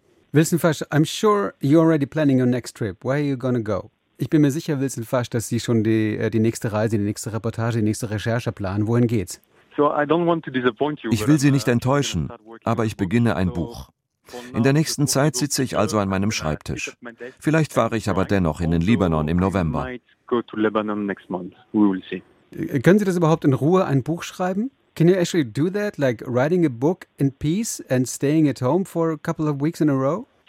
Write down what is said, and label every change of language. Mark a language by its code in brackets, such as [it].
[en] Wilson Fasch, I'm sure you're already planning your next trip. Where are you gonna go? [de] Ich bin mir sicher, Wilson Fasch, dass Sie schon die nächste Reise, die nächste Reportage, die nächste Recherche planen. Wohin geht's? [en] So I don't want to disappoint you. [de] Ich will Sie nicht enttäuschen, aber ich beginne ein Buch. In der nächsten Zeit sitze ich also an meinem Schreibtisch. Vielleicht fahre ich aber dennoch in den Libanon im November. Können Sie das überhaupt in Ruhe, ein Buch schreiben? [en] Can you actually do that, like writing a book in peace and staying at home for a couple of weeks in a row?